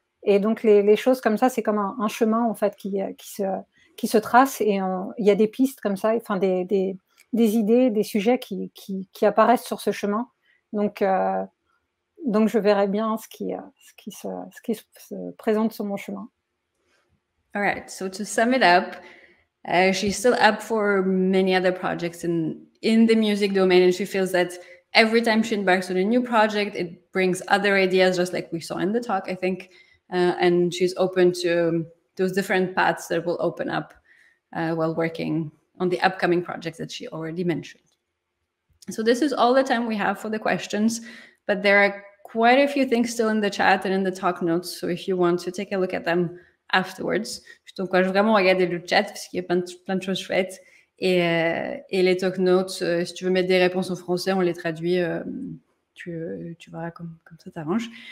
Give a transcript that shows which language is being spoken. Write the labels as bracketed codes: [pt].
[fr] Et donc, les choses comme ça, c'est comme un chemin, en fait, qui se trace. Et il y a des pistes comme ça, enfin, des idées, des sujets qui apparaissent sur ce chemin. Donc je verrai bien ce qui se présente sur mon chemin. [en] All right, so to sum it up, she's still up for many other projects in the music domain, and she feels that every time she embarks on a new project, it brings other ideas, just like we saw in the talk, I think. And she's open to those different paths that will open up while working on the upcoming projects that she already mentioned. So this is all the time we have for the questions, but there are quite a few things still in the chat and in the talk notes, so if you want to take a look at them afterwards. [fr] Je t'encourage vraiment à regarder le chat parce qu'il y a plein de choses chouettes et les talk notes, si tu veux mettre des réponses en français, on les traduit, tu verras comme ça t'arrange.